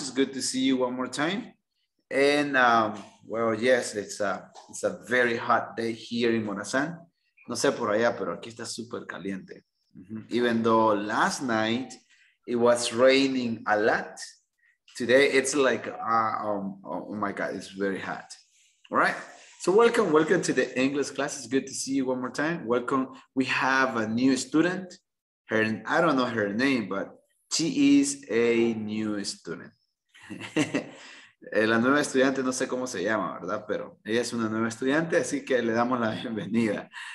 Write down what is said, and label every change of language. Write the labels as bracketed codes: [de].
[en] It's good to see you one more time. And it's a very hot day here in Morazán. [es] No sé por allá, pero aquí está súper caliente. [en] Even though last night it was raining a lot, today it's like, oh my God, it's very hot. All right? So welcome to the English class. It's good to see you one more time. Welcome. We have a new student. I don't know her name, but she is a new student. [es] La nueva estudiante, no sé cómo se llama, ¿verdad? Pero ella es una nueva estudiante, así que le damos la bienvenida.